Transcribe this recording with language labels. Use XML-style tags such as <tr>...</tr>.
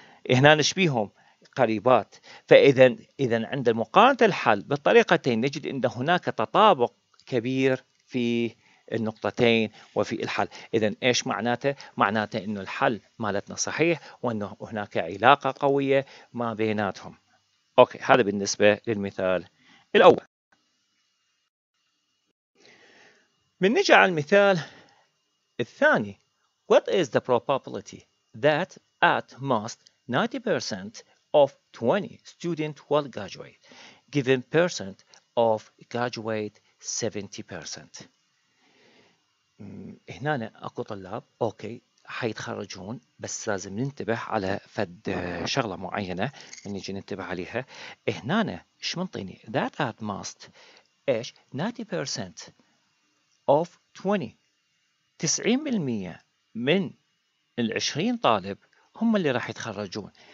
<ar>هنا نشبيهم قريبات، فإذا عند مقارنة الحل بالطريقتين نجد أن هناك تطابق كبير في النقطتين وفي الحل. إذا إيش معناته؟ معناته أن الحل مالتنا صحيح وأنه هناك علاقة قوية ما بيناتهم. أوكي هذا بالنسبة للمثال الأول. من نجي على المثال الثاني،</ar> <en>What is the probability that at most 90% of 20 students will graduate, given percent of graduate 70%.</en> <ar>هنا أكو طلاب أوكي حيتخرجون، بس لازم ننتبه على فد شغلة معينة نجي ننتبه عليها. هنا إيش منطيني</ar> <en>that at most</en> <ar>إيش</ar> <en>90% of 20،</en> <ar>90% من العشرين طالب هم اللي راح يتخرجون.</ar>